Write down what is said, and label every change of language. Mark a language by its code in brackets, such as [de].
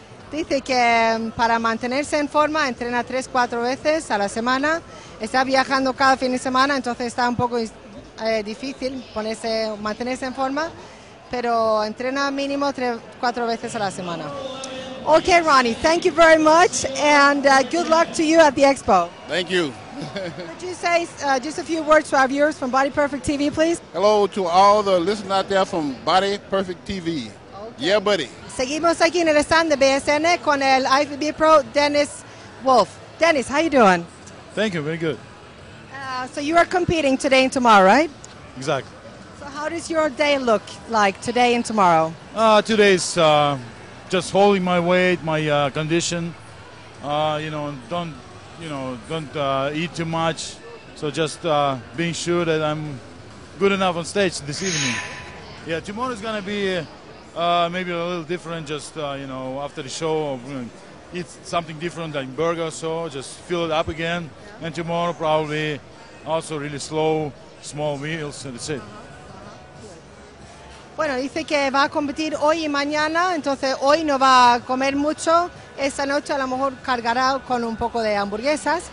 [es] Dice que para mantenerse en forma entrena 3-4 veces a la semana. Está viajando cada fin de semana, entonces está un poco difícil ponerse, mantenerse en forma, pero entrena mínimo 3-4 veces a la semana. [en] Okay, Ronnie, thank you very much, and good luck to you at the expo. Thank you. Could you say just a few words to our viewers from Body Perfect TV, please? Hello to all the listeners out there from Body Perfect TV. Okay. Yeah, buddy. [es] Seguimos aquí en el stand de BSN con el IFBB Pro Dennis Wolf. [en] Dennis, how you doing? Thank you, very good. So you are competing today and tomorrow, right? Exactly. So how does your day look like today and tomorrow? Today's just holding my weight, my condition. Don't eat too much. So just being sure that I'm good enough on stage this evening. Yeah, tomorrow's gonna be. Maybe a little different, just, after the show, eat something different than burger or so, just fill it up again. Yeah. And tomorrow probably also really slow, small meals, and that's it. [es] Bueno, dice que va a competir hoy y mañana, entonces hoy no va a comer mucho. Esta noche a lo mejor cargará con un poco de hamburguesas.